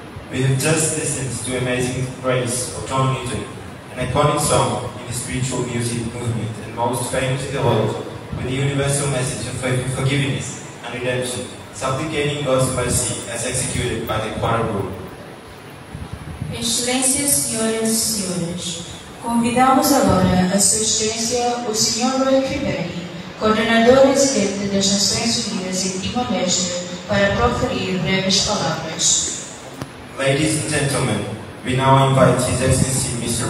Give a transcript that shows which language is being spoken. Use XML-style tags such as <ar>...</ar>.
<en>We have just listened to Amazing Grace, or Tom Newton, an iconic song in the spiritual music movement and most famous in the world, with the universal message of forgiveness and redemption, supplicating God's mercy as executed by the choir group.</en> <pt>Excelência, senhoras e senhores, convidamos agora a sua excelência o Sr. Roy Fiberi, coordenador residente das Nações Unidas em Timor-Leste, para proferir breves palavras.</pt> <en>Ladies and gentlemen, we now invite His Excellency Mr.</en>